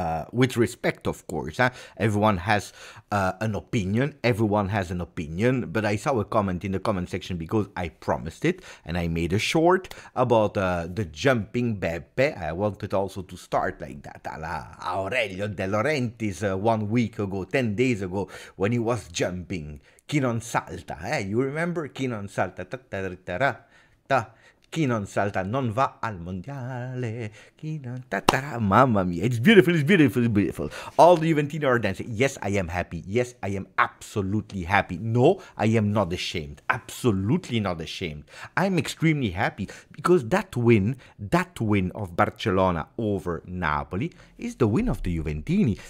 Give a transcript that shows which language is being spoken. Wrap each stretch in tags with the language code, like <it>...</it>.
<en>With respect, of course, everyone has an opinion, everyone has an opinion, but I saw a comment in the comment section because I promised it and I made a short about the jumping Beppe. I wanted also to start like that, a la Aurelio De Laurentiis 1 week ago, 10 days ago, when he was jumping.</en> <it>Chi non salta, eh?</it> <en>You remember?</en> <it>Chi non salta, ta-ta-ta-ta-ta. Chi non salta non va al mondiale. Chi non tatara. Mamma mia.</it> <en>It's beautiful, it's beautiful, it's beautiful. All the Juventino are dancing. Yes, I am happy. Yes, I am absolutely happy. No, I am not ashamed. Absolutely not ashamed. I'm extremely happy because that win of Barcelona over Napoli is the win of the Juventini.</en>